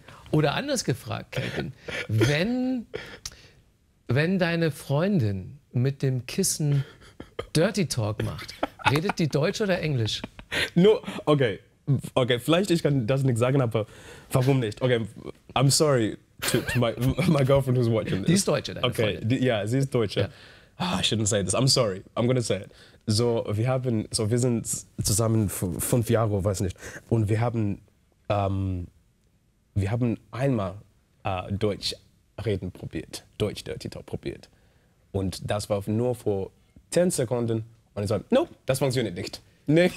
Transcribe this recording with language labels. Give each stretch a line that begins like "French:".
German: Oder anders gefragt, Kevin, wenn deine Freundin mit dem Kissen Dirty Talk macht, redet die Deutsch oder Englisch? Nur, no, okay, vielleicht ich kann das nicht sagen, aber warum nicht?
English: Okay, I'm sorry to my girlfriend who's watching this.
German: Die ist Deutsche, deine Freundin. Okay, ja, sie ist Deutsche. Ja.
English: Oh, I shouldn't say this, I'm sorry, I'm gonna say it.
German: So, wir sind zusammen 5 Jahre, weiß nicht, und wir haben, einmal Deutsch reden probiert, Deutsch Dirty Talk probiert. Und das war nur vor 10 Sekunden. Und ich sagte, nope, das funktioniert nicht. Nee.